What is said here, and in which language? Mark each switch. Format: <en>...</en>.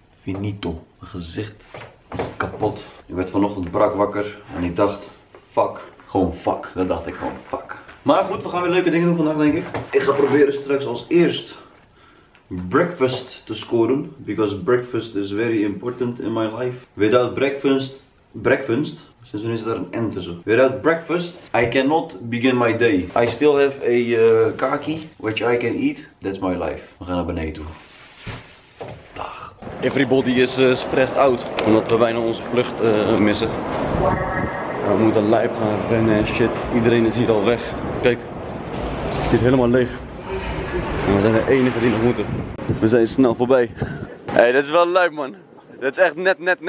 <nl>Finito, mijn gezicht is kapot. Ik werd vanochtend brak wakker en ik dacht, fuck, gewoon fuck, dat dacht ik gewoon fuck. Maar goed, we gaan weer leuke dingen doen vandaag denk ik. Ik ga proberen straks als eerst breakfast te scoren,</nl> <en>because breakfast is very important in my life. Without breakfast,</en> <nl>sinds wanneer is daar een N tussen?</nl> <en>Without breakfast, I cannot begin my day. I still have a khaki, which I can eat. That's my life.</en> <nl>We gaan naar beneden toe. Dag.</nl> <en>Everybody is stressed out,</en> <nl>omdat we bijna onze vlucht missen. We moeten lijp gaan rennen en shit. Iedereen is hier al weg. Kijk, het zit helemaal leeg. We zijn de enige die nog moeten. We zijn snel voorbij. Hé, hey, dat is wel leuk man. Dat is echt net.</nl>